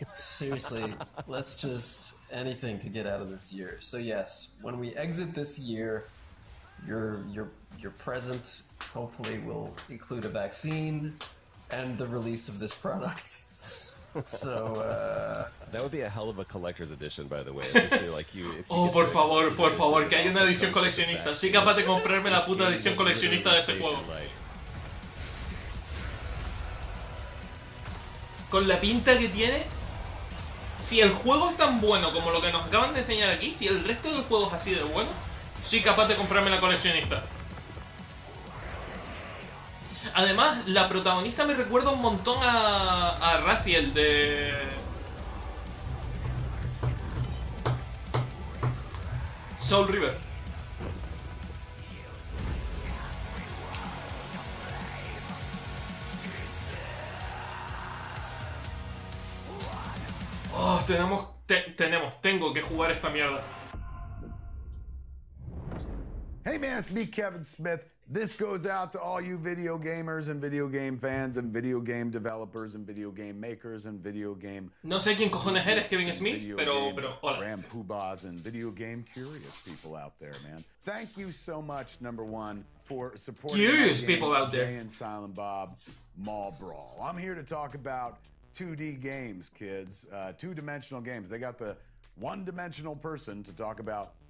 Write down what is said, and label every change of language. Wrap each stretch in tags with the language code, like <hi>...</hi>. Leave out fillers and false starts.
<en>Seriously, let's just anything to get out of this year. So yes, when we exit this year, Your present hopefully will include a vaccine and the release of this product. So that would be a hell of a collector's edition, by the way. Like you, if you</en> <es>oh, por favor, por favor, que haya una edición coleccionista. Sí, capaz de comprarme la puta edición coleccionista de este juego. Con la pinta que tiene, si el juego es tan bueno como lo que nos acaban de enseñar aquí, si el resto del juego es así de bueno, sí, capaz de comprarme la coleccionista. Además, la protagonista me recuerda un montón a Raziel de... Soul River. Oh, tengo que jugar esta mierda.</es> <en>Hey man, it's me, Kevin Smith. This goes out to all you video gamers and video game fans and video game developers and video game makers and video game...</en> <es>No sé quién cojones eres, Kevin Smith, pero hola.</es> <en>...rampoobahs and video game curious people out there, man. Thank you so much, number one, for supporting... Curious people out there. ...Jay and Silent Bob Mall Brawl. I'm here to talk about 2D games, kids. Two-dimensional games. They got the one-dimensional person to talk about...</en>